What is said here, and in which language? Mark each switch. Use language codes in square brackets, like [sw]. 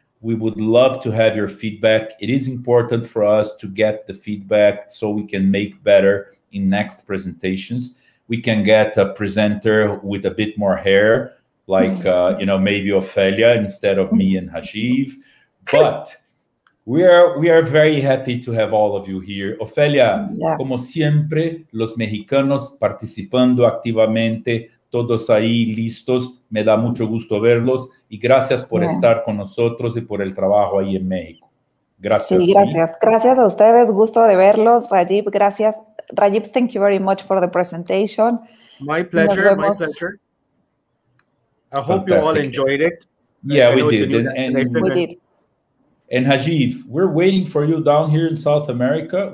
[en] We would love to have your feedback. It is important for us to get the feedback so we can make better in next presentations. We can get a presenter with a bit more hair, like maybe Ophelia instead of me and Hajiv. But we are very happy to have all of you here. Ophelia, yeah. [es] Como siempre, los mexicanos participando activamente, todos ahí listos. Me da mucho gusto verlos. Y gracias por estar con nosotros y por el trabajo ahí en México. Gracias. Sí, gracias. Sí. Gracias a ustedes. Gusto de verlos. Rajiv, gracias. [en] Rajiv, thank you very much for the presentation. My pleasure, my pleasure. I hope Fantastic. You all enjoyed it. Yeah, we did. We did. And Hajiv, we're waiting for you down here in South America.